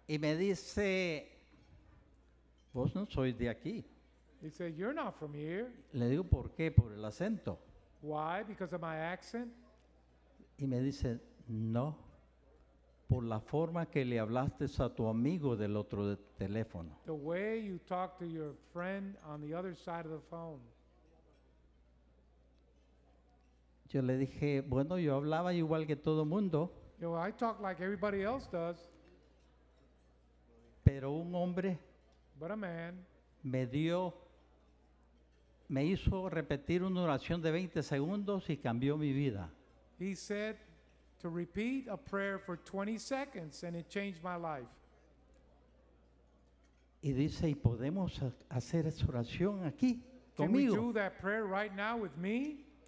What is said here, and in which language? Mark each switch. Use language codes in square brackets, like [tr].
[es] Y me dice, vos no sois de aquí. [en] He said, you're not from here. [es] Le digo, ¿por qué? Por el acento. [en] Why? Because of my accent? [es] Y me dice, no, por la forma que le hablaste a tu amigo del otro teléfono. [en] The way you talk to your friend on the other side of the phone. [es] Yo le dije, bueno, yo hablaba igual que todo mundo. [en] You know, I talk like everybody else does. [es] Pero un hombre, [en] but a man, [es] me hizo repetir una oración de 20 segundos y cambió mi vida. [en] He said to repeat a prayer for 20 seconds and it changed my life. [es] Y dice, ¿y podemos hacer esa oración aquí conmigo? [en] Can we do that prayer right now with me?